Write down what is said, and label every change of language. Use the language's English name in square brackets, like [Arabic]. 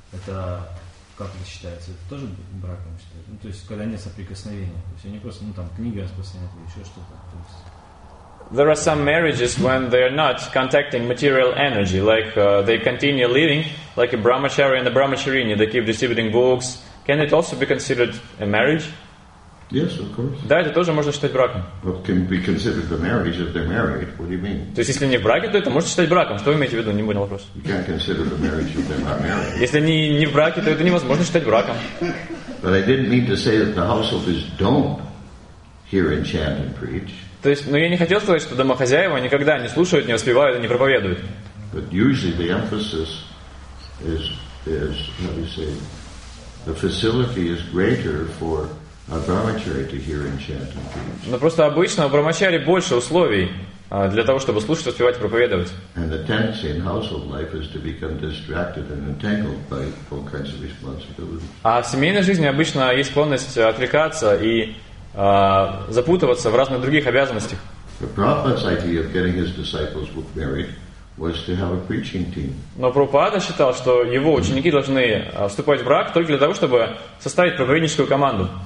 [Russian] Это как это считается? Это тоже браком считается? Ну, то есть, когда нет соприкосновения, то есть они просто, ну, там, книги распространяют или еще что-то. То есть... [English] There are some marriages when they are not contacting material energy, like they continue living, like a brahmachari and a brahmacharini, they keep distributing books. Can it also be considered a marriage? Yes, of course. [Russian] Да, это тоже можно считать браком. [English] But can be considered the marriage if they're married. What do you mean? [Russian] То есть если не в браке, то это можно считать браком. Что вы имеете в виду? Не понял вопрос. [English] You can't consider the marriage if they're not married. [Russian] Если не в браке, то это невозможно считать браком. [English] But I didn't mean to say that the householders don't hear and chant and preach. [Russian] То есть, я не хотел сказать, что домохозяева никогда не слушают, не воспевают, не проповедуют. [English] But usually the emphasis is how do you say, the facility is greater for a brahmachari to hear and chant and preach. [Russian] Но просто обычно у брахмачари больше условий для того, чтобы слушать, воспевать и проповедовать. [English] And the tendency in household life is to become distracted and entangled by all kinds of responsibilities. [Russian] А в семейной жизни обычно есть склонность отвлекаться и запутываться в разных других обязанностях. [English] The Prabhupada's idea of getting his disciples married was to have a preaching team. [Russian] Но Прабхупада считал, что его ученики должны вступать в брак только для того, чтобы составить проповедническую команду.